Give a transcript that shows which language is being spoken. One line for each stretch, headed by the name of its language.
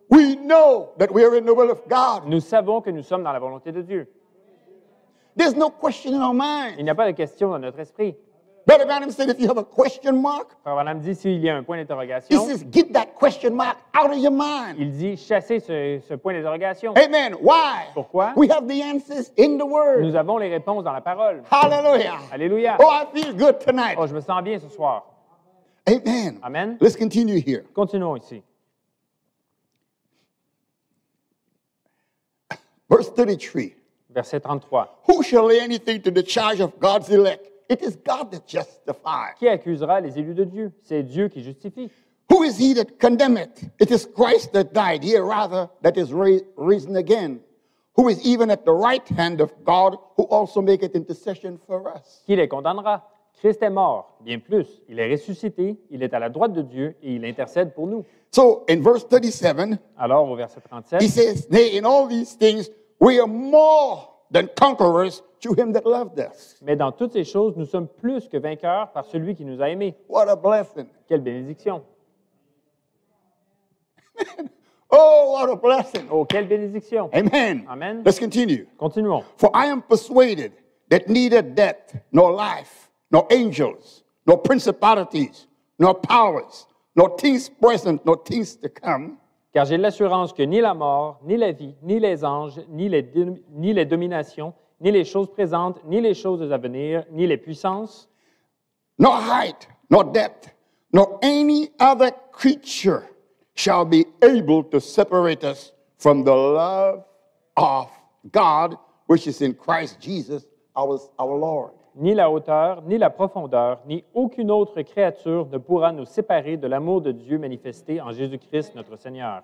English: We know that we are in the will of God.
French: Nous savons que nous sommes dans la volonté de Dieu.
English: There's no question in our mind.
French: Il n'y a pas de question dans notre esprit.
English: Brother Branham said, if you have a question mark,
French: Frère Branham dit, s'il y a un point d'interrogation,
English: he says, get that question mark out of your mind.
French: Il dit, chassez ce point d'interrogation.
English: Amen. Why?
French: Pourquoi?
English: We have the answers in the Word.
French: Nous avons les réponses dans la parole.
English: Hallelujah.
French: Alléluia.
English: Oh, I feel good tonight.
French: Oh, je me sens bien ce soir.
English: Amen.
French: Amen.
English: Let's continue here.
French: Continuons ici.
English: Verse 33.
French: Verset 33.
English: Who shall lay anything to the charge of God's elect? It is God that justifies.
French: Qui accusera les élus de Dieu? C'est Dieu qui justifie.
English: Who is he that condemneth? It is Christ that died, yea, rather, that is risen again. Who is even at the right hand of God, who also maketh intercession for us.
French: Qui les condamnera? Christ est mort. Bien plus, il est ressuscité, il est à la droite de Dieu et il intercède pour nous.
English: So, in verse 37,
French: alors au verset 37,
English: he says, nay, in all these things, we are more than conquerors to him that loved us.
French: Mais dans toutes ces choses, nous sommes plus que vainqueurs par celui qui nous a aimés.
English: What a blessing.
French: Quelle bénédiction.
English: Oh, what a blessing.
French: Oh, quelle bénédiction.
English: Amen.
French: Amen.
English: Let's continue.
French: Continuons.
English: For I am persuaded that neither death, nor life, nor angels, nor principalities, nor powers, nor things present, nor things to come.
French: Car j'ai l'assurance que ni la mort, ni la vie, ni les anges, ni les dominations, ni les choses présentes, ni les choses à venir, ni les puissances.
English: Nor height, nor depth, nor any other creature shall be able to separate us from the love of God, which is in Christ Jesus, our Lord.
French: Ni la hauteur, ni la profondeur, ni aucune autre créature ne pourra nous séparer de l'amour de Dieu manifesté en Jésus-Christ notre Seigneur.